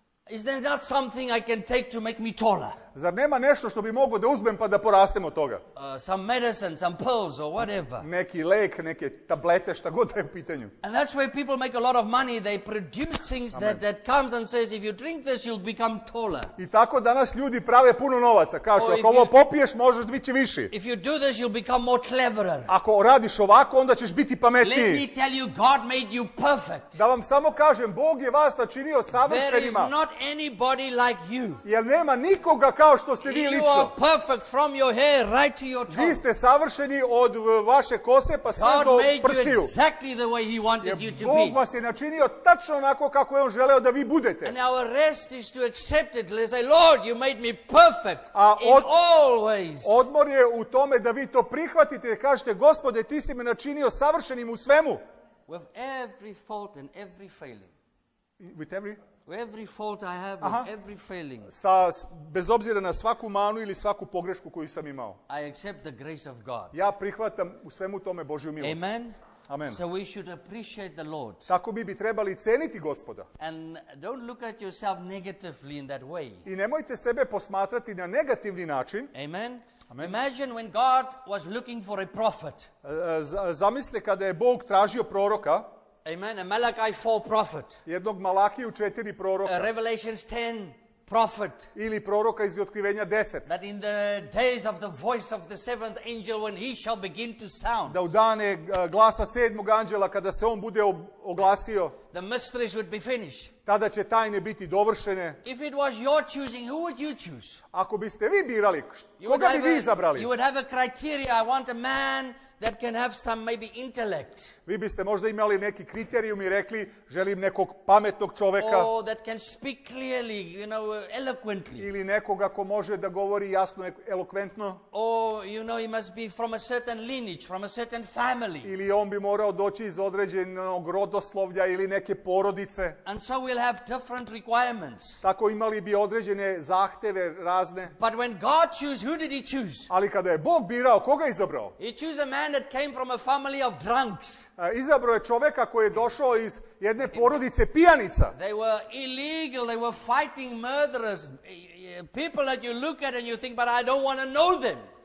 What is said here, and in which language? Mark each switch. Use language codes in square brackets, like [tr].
[en] Is there not something I can take to make me taller? [sr] Zar nema nešto što bi mogao da uzmem pa da porastem od toga? [en] Some medicine, some pills or whatever. [sr] Neki lek, neke tablete, šta god je u pitanju. [en] And that's where people make a lot of money. They produce things that comes and says, if you drink this, you'll become taller. [sr] I tako danas ljudi prave puno novaca. Kažu, ako ovo popiješ, možeš biti viši. [en] If you do this, you'll become more cleverer. [sr] Ako radiš ovako, onda ćeš biti pametniji. [en] Let me tell you, God made you perfect. [sr] Da vam samo kažem, Bog je vas načinio savršenima. [en] There is not anybody like you. [sr] Jer nema nikoga kao što ste vi lično. [en] You are perfect from your hair right to your toe. [sr] Vi ste savršeni od vaše kose pa sve [en] God [sr] do prstiju. [en] Exactly the way he wanted [sr] Jer [en] you to [sr] Bog [en] be. [sr] Vas je načinio tačno onako kako je on želeo da vi budete. [en] And our rest is to accept it. Let's say, Lord, you made me perfect in all ways. [sr] Odmor je u tome da vi to prihvatite i kažete, Gospode, ti si me načinio savršenim u svemu. [en] With every fault and every failing. With every? Every fault I have, every failing. [sr] Bez obzira na svaku manu ili svaku pogrešku koju sam imao. [en] I accept the grace of God. [sr] Ja prihvatam u svemu tome Božju milost. [en] Amen. [sr] Amen. [en] So we should appreciate the Lord. [sr] Tako bi trebali ceniti Gospoda. [en] And don't look at yourself negatively in that way. [sr] I nemojte sebe posmatrati na negativni način. [en] Amen. [sr] Amen. [en] Imagine when God was looking for a prophet. [sr] Zamisli kada je Bog tražio proroka. [en] Amen. A Malachi 4 prophet. [sr] Jednog Malakiju 4 proroka. [en] A Revelations 10 prophet. [sr] Ili proroka iz Otkrivenja 10. [en] That in the days of the voice of the seventh angel when he shall begin to sound. [sr] Da u dane glasa sedmog anđela kada se on bude oglasio. [en] The mysteries would be finished. [sr] Tada će tajne biti dovršene. [en] If it was your choosing, who would you choose? [sr] Ako biste vi birali, koga bi vi izabrali? [en] You would have a criteria. I want a man that can have some maybe intellect. [sr] Vi biste možda imali neki kriterijum i rekli želim nekog pametnog čovjeka. [en] Or that can speak clearly, you know, eloquently. [sr] Ili nekoga ko može da govori jasno elokventno. [en] Or you know he must be from a certain lineage, from a certain family. [sr] Ili on bi morao doći iz određenog rodoslovlja ili neke porodice. [en] And so we'll have different requirements. [sr] Tako imali bi određene zahteve razne. [en] But when God chose, who did he choose? [sr] Ali kada je Bog birao, koga je izabrao? [en] He chose man that came from a family of drunks. [sr] Izabrao je čovjeka koji je došao iz jedne porodice pijanica. [en] They were illegal, they were fighting murderers. People that you look at and you think, but I don't want to know them.